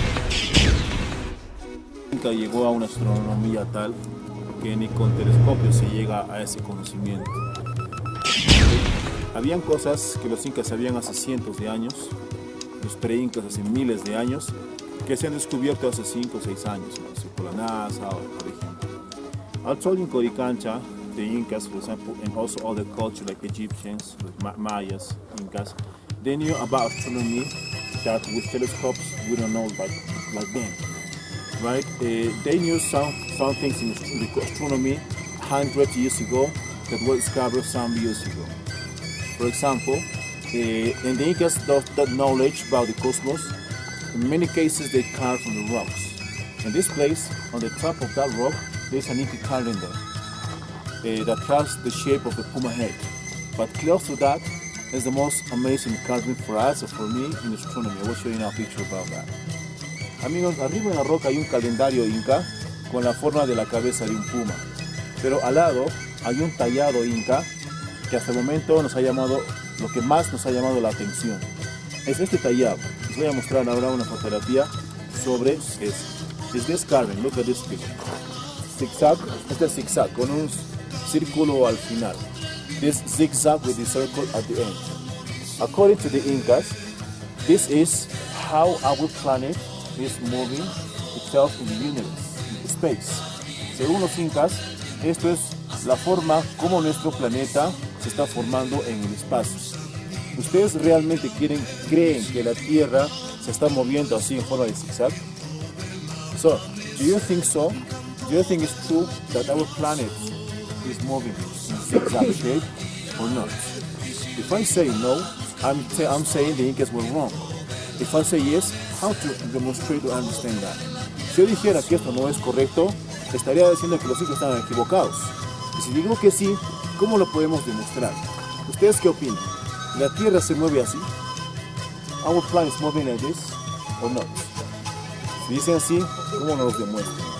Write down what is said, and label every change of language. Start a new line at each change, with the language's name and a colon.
Spanish: física llegó a una astronomía tal que ni con telescopios se llega a ese conocimiento. Habían cosas que los incas sabían hace cientos de años, los pre-incas hace miles de años, que se han descubierto hace 5 o 6 años, por la NASA, por ejemplo. Al sol en Coricancha, de incas, por ejemplo, en
English: also other cultures like Egyptians, mayas, incas, they knew about astronomy that with telescopes we don't know like them, right? They knew some things in astronomy 100 years ago that were discovered some years ago. For example, in the Incas, that knowledge about the cosmos, in many cases, they carved from the rocks. In this place, on the top of that rock, there's an Inca calendar that has the shape of a puma head. But close to that is the most amazing calendar for us, or for me, in astronomy. I will show you now a picture about that.
Spanish: Amigos, arriba en la roca hay un calendario Inca con la forma de la cabeza de un puma. Pero al lado hay un tallado Inca que hasta el momento nos ha llamado, lo que más nos ha llamado la atención. Es este tallado. Les voy a mostrar ahora una fotografía sobre eso. Es de Scarven,
English: look at this picture.
Spanish: Zigzag, este es zigzag, con un círculo al final.
English: This zigzag with the circle at the end. According to the Incas, this is how our planet is moving itself in the universe, in the space.
Spanish: Según los Incas, esto es la forma como nuestro planeta se está formando en el espacio. ¿Ustedes realmente creen que la Tierra se está moviendo así en forma de zigzag?
English: So, do you think so? Do you think it's true that our planet is moving in zigzag shape or not? If I say no, I'm saying the Incas were wrong. If I say yes, how to demonstrate or understand that?
Spanish: Si yo dijera que esto no es correcto, estaría diciendo que los Incas están equivocados. Y si digo que sí, ¿cómo lo podemos demostrar? ¿Ustedes qué opinan? ¿La Tierra se mueve así?
English: ¿Our planet is moving like this or not?
Spanish: Si dicen así, ¿cómo nos lo demuestran?